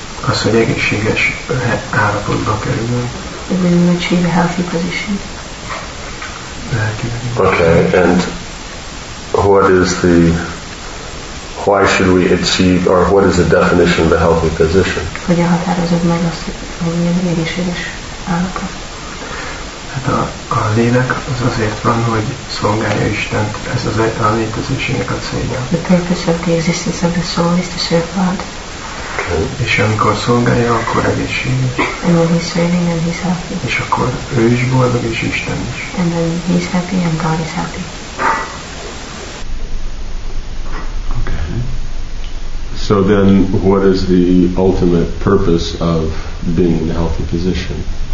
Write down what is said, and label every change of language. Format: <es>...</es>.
<hu>Az, hogy egészséges állapotba kerülünk.</hu> <en>We will achieve a healthy position. Okay, and what is the why should we achieve, or what is the definition of a healthy position?</en> <hu>Hogy határozod meg azt, hogy milyen egészséges állapot? Hát a lélek az azért van, hogy szolgálja Istent. Ez az a létezésének a célja.</hu> <en>The purpose of the existence of the soul is to serve God. Okay.</en> <hu>És amikor szolgálja, akkor egészséges.</hu> <en>And when he's serving, then he's healthy.</en> <hu>És akkor ő is boldog, és Isten is.</hu> <en>And then he's happy and God is happy. So then, what is the ultimate purpose of being in a healthy position?</en>